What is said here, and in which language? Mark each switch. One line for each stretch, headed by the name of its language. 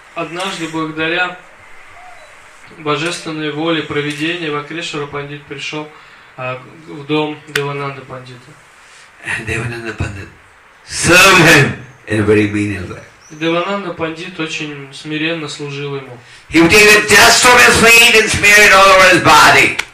Russian: Однажды благодаря божественной воле провидения Акрешвара Пандит пришел в дом Девананда Пандита.
English: And Devananda Pandit served him in a very menial way.
Russian: Девананда Пандит очень смиренно служил ему.
English: He would take the dust from his feet and smear it all over his body.